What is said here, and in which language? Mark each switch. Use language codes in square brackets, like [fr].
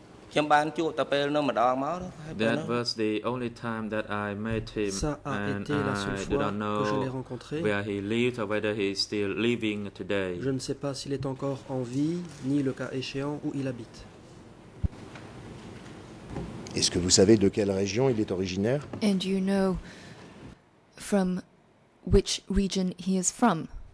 [en] That was the only time that I met him, and I do not know where he lived or whether he is still living today. [fr] Je ne sais pas s'il est encore en vie, ni le cas échéant où il habite. Est-ce que vous savez de quelle région il est originaire? [en] And you know from which region he is from?